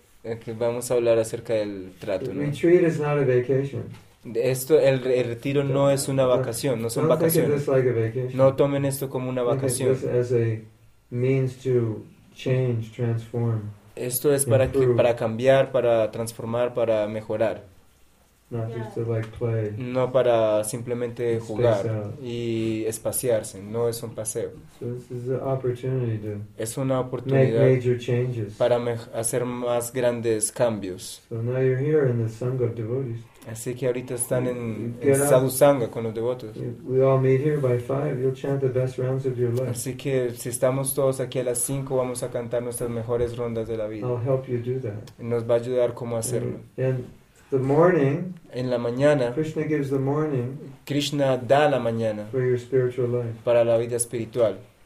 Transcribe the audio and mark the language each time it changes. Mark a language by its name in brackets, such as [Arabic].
[Spanish] Okay, vamos a hablar acerca del trato, ¿no? [English] Retreat is not a vacation. [Spanish] Esto, el retiro no es una vacación, no son [English] Don't [Spanish] vacaciones. [English] Think of this like a vacation. [Spanish] No tomen esto como una vacación. [English] Think of this as a means to change, transform. [Spanish] Esto es para [English] improve. [Spanish] Que para cambiar, para transformar, para mejorar. [English] Not just to like play. [Spanish] No para simplemente jugar y espaciarse, no es un paseo. [English] So this is an opportunity to [Spanish] es una oportunidad [English] make major changes. [Spanish] Para hacer más grandes cambios. [English] So now you're here in the Sangha of Devotees. [Spanish] Así que ahorita están en Sadhu Sangha con los devotos. [English] We all meet here by 5, you'll chant the best rounds of your life. [Spanish] Así que si estamos todos aquí a las 5 vamos a cantar nuestras mejores rondas de la vida. [English] I'll help you do that. [Spanish] Nos va a ayudar cómo hacerlo. [English] And the morning, [Spanish] en la mañana, [English] Krishna gives the morning, [Spanish] Krishna da la mañana, [English] for your spiritual life, [Spanish] para la vida espiritual.